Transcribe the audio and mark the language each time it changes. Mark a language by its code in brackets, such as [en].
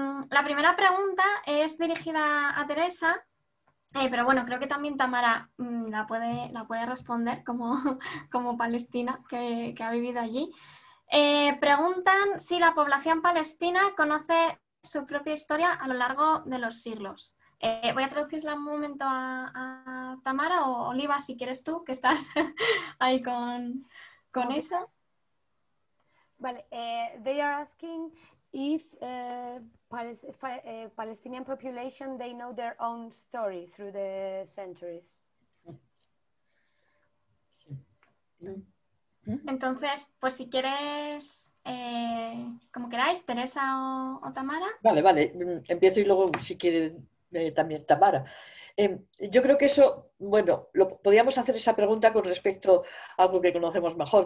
[es] La primera pregunta es dirigida a Teresa. Pero bueno, creo que también Tamara la puede responder como palestina que ha vivido allí. Preguntan si la población palestina conoce su propia historia a lo largo de los siglos. Voy a traducirla un momento a Tamara o Oliva, si quieres tú, que estás ahí con eso. Vale, [en] they are asking if Palestinian population, they know their own story through the centuries. [es] Entonces, pues si quieres, como queráis, Teresa o Tamara. Vale, empiezo y luego si quiere también Tamara. Yo creo que eso, bueno, podríamos hacer esa pregunta con respecto a algo que conocemos mejor.